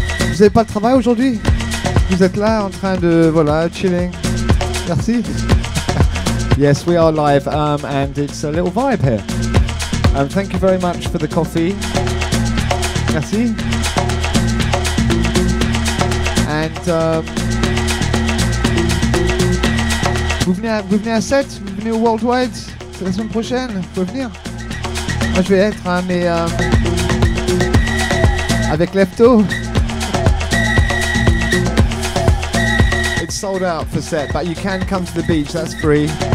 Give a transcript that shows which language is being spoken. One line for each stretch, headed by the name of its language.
French: Vous avez pas le travail aujourd'hui? Vous êtes là en train de voilà chilling. Merci.
English: Yes, we are live and it's a little vibe here. Thank you very much for the coffee.
French: Merci.
English: And
French: vous venez à 7, vous venez au Worldwide, c'est la semaine prochaine, vous pouvez venir. Moi je vais être hein, mais avec Lepto.
English: It's sold out for set, but you can come to the beach, that's free.